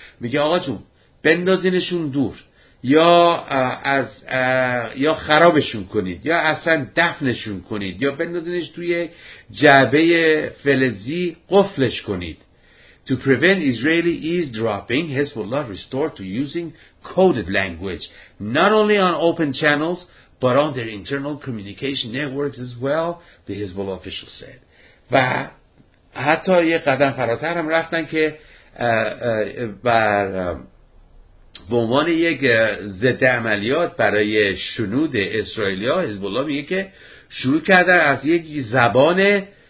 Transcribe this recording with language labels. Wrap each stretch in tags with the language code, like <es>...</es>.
<fa>میگه آقا جون بندازینشون دور یا از یا خرابشون کنید یا اصلا دفنشون کنید یا بندازینش توی جعبه فلزی قفلش کنید.</fa> <en>To prevent Israeli eavesdropping, Hezbollah resorted to using coded language, not only on open channels, but on their internal communication networks as well, the Hezbollah official said.</en> <fa>و حتی یه قدم فراتر هم رفتن که بر به عنوان یک ضد عملیات برای شنود اسرائیلی ها، حزب‌الله میگه که شروع کردن از یک زبان</fa>